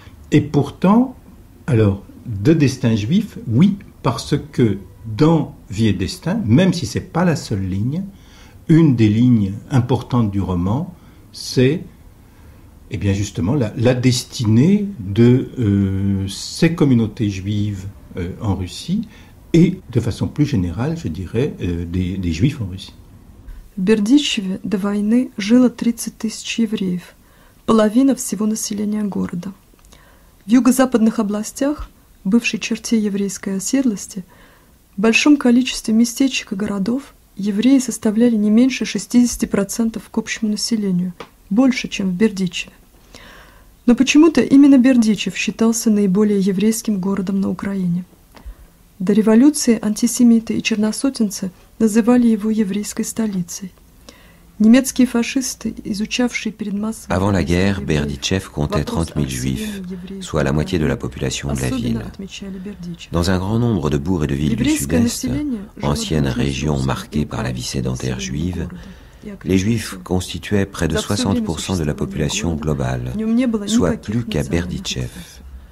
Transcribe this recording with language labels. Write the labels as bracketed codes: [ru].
[fr] Et pourtant, alors, de destin juif, oui, parce que dans Vie et Destin, même si ce n'est pas la seule ligne, une des lignes importantes du roman, c'est eh bien justement la destinée de ces communautés juives en Russie et, de façon plus générale, je dirais, des juifs en Russie. [ru] Бердичеве до войны жило 30 тысяч евреев, половина всего населения города. В юго-западных областях, бывшей черте еврейской оседлости, в большом количестве местечек и городов евреи составляли не меньше 60% к общему населению, больше, чем в Бердичеве. Но почему-то именно Бердичев считался наиболее еврейским городом на Украине. До революции антисемиты и черносотенцы называли его еврейской столицей. Немецкие фашисты, изучавшие перед массой... [fr] Avant la guerre, Бердичев comptait 30 000 juifs, soit la moitié de la population de la ville. Dans un grand nombre de bourgs et de villes du sud-est, ancienne région marquée par la vie sédentaire juive, les juifs constituaient près de 60% de la population globale, soit plus qu'à Бердичев.